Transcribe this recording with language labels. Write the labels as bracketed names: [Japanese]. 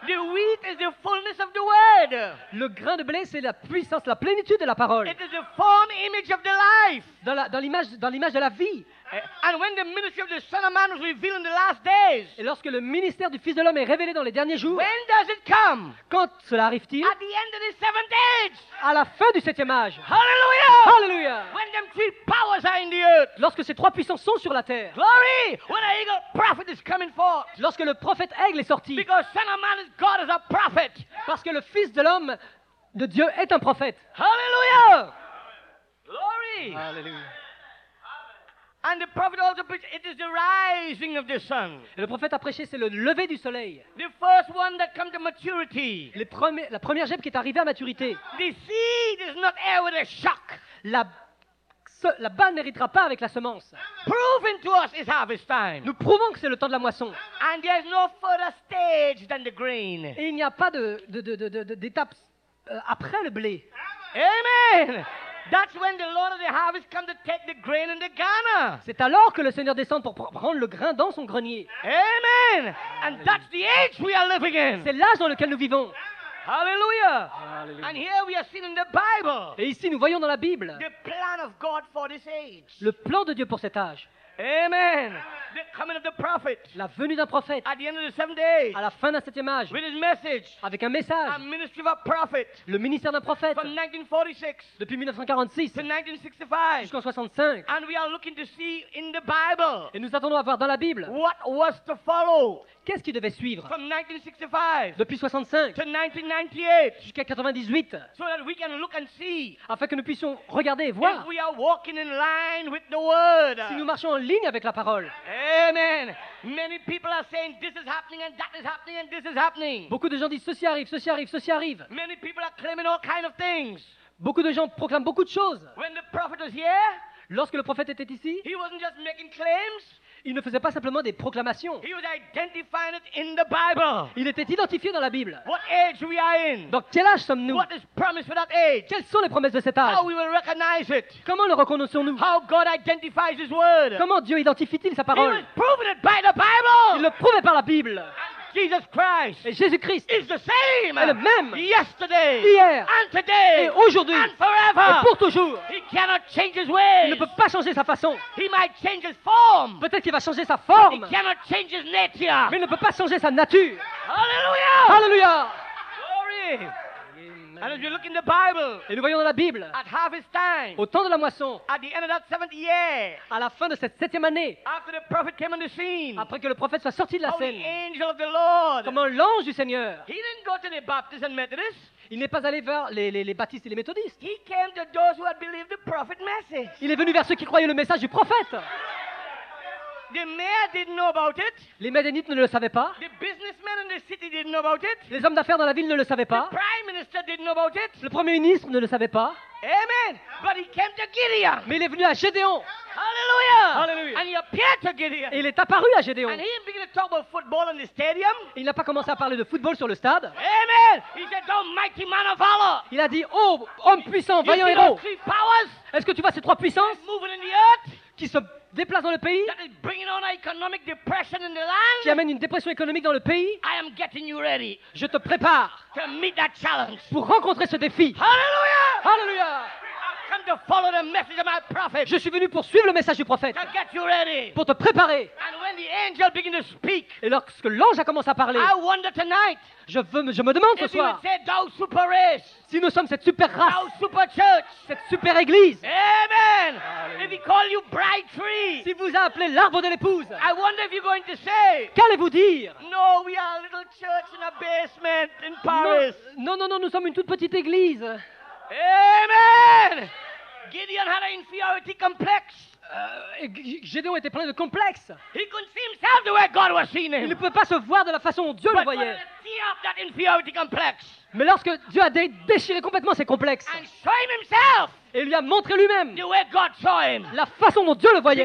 [English] The wheat is the fullness of the word. [French] Le grain de blé, c'est la puissance, la plénitude de la parole. [English] It is a form image of the life. [French] Dans l'image de la vie. [English] And when the ministry of the Son of Man was revealed in the last days. [French] Et lorsque le ministère du Fils de l'homme est révélé dans les derniers jours. [English] When does it come? [French] Quand cela arrive-t-il? [English] At the end of the seventh age. [French] À la fin du septième âge. [English] Hallelujah! [French] Hallelujah! [English] When them three powers are in the earth. [French] Lorsque ces trois puissances sont sur la terre. [English] Glory! When the eagle prophet is coming forth. [French] Lorsque le prophète aigle est sorti. [English] Because Son of Man is God as a prophet. [French] Parce que le Fils de l'homme de Dieu est un prophète. [English] Hallelujah! Glory! [French] Hallelujah! [English] And the prophet also preached, it is the rising of the sun. [French] Et le prophète a prêché, c'est le lever du soleil. [English] The first one that comes to maturity. [French] La première gemme qui est arrivée à maturité. [English] The seed is not air with a shock. [French] La balle n'héritera pas avec la semence. [English] Proving to us is harvest time. [French] Nous prouvons que c'est le temps de la moisson. [English] And there is no further stage than the grain. [French] Et il n'y a pas d'étape après le blé. [English] Amen. That's when the Lord of the harvest comes to take the grain in the garner. [French] C'est alors que le Seigneur descend pour prendre le grain dans son grenier. [English] Amen. And that's the age we are living in. [French] C'est l'âge dans lequel nous vivons. [English] Hallelujah. [French] Hallelujah. [English] And here we are seen in the Bible. [French] Et ici nous voyons dans la Bible. [English] The plan of God for this age. [French] Le plan de Dieu pour cet âge. [English] Amen. The coming of the prophet. [French] La venue d'un prophète. [English] At the end of the seventh age. [French] À la fin d'un septième âge. [English] With his message. [French] Avec un message. [English] A ministry of a prophet. [French] Le ministère d'un prophète. [English] From 1946. [French] Depuis 1946. [English] To 1965. [French] Jusqu'en 65. [English] And we are looking to see in the Bible. [French] Et nous attendons à voir dans la Bible. [English] What was to follow. [French] Qu'est-ce qui devait suivre? [English] From 1965. [French] Depuis 65. [English] To 1998. [French] Jusqu'à 98. [English] So that we can look and see. [French] Afin que nous puissions regarder et voir. [English] If we are walking in line with the word. [French] Si nous marchons en ligne avec la parole. [English] Amen. Many people are saying this is happening and that is happening and this is happening. [French] Beaucoup de gens disent ceci arrive, ceci arrive, ceci arrive. [English] Many people are claiming all kinds of things. [French] Beaucoup de gens proclament beaucoup de choses. [English] When the prophet was here. [French] Lorsque le prophète était ici. [English] He wasn't just making claims. [French] Il ne faisait pas simplement des proclamations. [English] He was identifying it in the Bible. [French] Il était identifié dans la Bible. [English] What age we are in. [French] Dans quel âge sommes-nous? [English] What is promised for that age? [French] Quelles sont les promesses de cet âge? [English] How we will recognize it. [French] Comment le reconnaissons-nous? [English] How God identifies his word. [French] Comment Dieu identifie-t-il sa parole? [English] He was proving it by the Bible. [French] Il le prouvait par la Bible. [English] Jesus Christ. [French] Et Jésus-Christ [English] is the same. [French] Est le même. [English] Yesterday. [French] Hier. [English] And today. [French] Et aujourd'hui. [English] And forever. [French] Et pour toujours. [English] He cannot change his ways. [French] Il ne peut pas changer sa façon. [English] He might change his form. [French] Peut-être qu'il va changer sa forme. [English] He cannot change his nature. [French] Mais il ne peut pas changer sa nature. [English] Hallelujah. [French] Hallelujah. [English] Glory. And as we look in the Bible, [French] et nous voyons dans la Bible, [English] at harvest time, [French] au temps de la moisson, [English] at the end of that seventh year, [French] à la fin de cette septième année, [English] after the prophet came on the scene, [French] après que le prophète soit sorti de la scène, [English] the angel of the Lord, [French] comment l'ange du Seigneur, [English] he didn't go to the Baptist and Methodist. [French] Il n'est pas allé vers les baptistes et les méthodistes. [English] He came to those who had believed the prophet message. [French] Il est venu vers ceux qui croyaient le message du prophète. [English] The mayor didn't know about it. [French] Les médianites ne le savaient pas. [English] The businessmen in the city didn't know about it. [French] Les hommes d'affaires dans la ville ne le savaient pas. [English] The prime minister didn't know about it. [French] Le premier ministre ne le savait pas. [English] Amen. But he came to Gideon. [French] Mais il est venu à Gédéon. [English] Hallelujah. [French] Hallelujah. [English] And he appeared to Gideon. [French] Et il est apparu à Gédéon. [English] And he didn't begin to talk about football in the stadium. [French] Il n'a pas commencé à parler de football sur le stade. [English] Amen. He said, "Oh mighty man of valor." [French] Il a dit, "Oh homme puissant, vaillant héros." [English] You see those three powers? [French] Est-ce que tu vois ces trois puissances? [English] Moving in the earth. [French] Qui se déplace dans le pays. [English] That is bringing on an economic depression in the land. [French] Qui amène une dépression économique dans le pays. [English] I am getting you ready. [French] Je te prépare. [English] To meet that challenge. [French] Pour rencontrer ce défi. [English] Hallelujah. [French] Hallelujah. [English] We have come to follow the message of my prophet. [French] Je suis venu pour suivre le message du prophète. [English] To get you ready. [French] Pour te préparer. [English] And when the angel began to speak. [French] Et lorsque l'ange a commencé à parler. [English] I wonder tonight. [French] Je me demande ce soir. [English] If he would say, thou super race. [French] Si nous sommes cette super race. [English] Thou super church. [French] Cette super église. [English] Amen. If he call you bride tree. [French] Si vous a appelé l'arbre de l'épouse. [English] I wonder if you're going to say. [French] Qu'allez-vous dire? [English] No, we are a little church in a basement in Paris. [French] Non, nous sommes une toute petite église. [English] Amen. Gideon had an inferiority complex. [French] Gédéon était plein de complexes. [English] He couldn't see himself the way God was seeing him. [French] Il ne pouvait pas se voir de la façon dont Dieu [English] But [French] le voyait. [English] Tear up that inferiority complex. [French] Mais lorsque Dieu a déchiré complètement ses complexes. [English] And show him himself. [French] Et lui a montré lui-même. [English] The way God saw him. [French] La façon dont Dieu le voyait.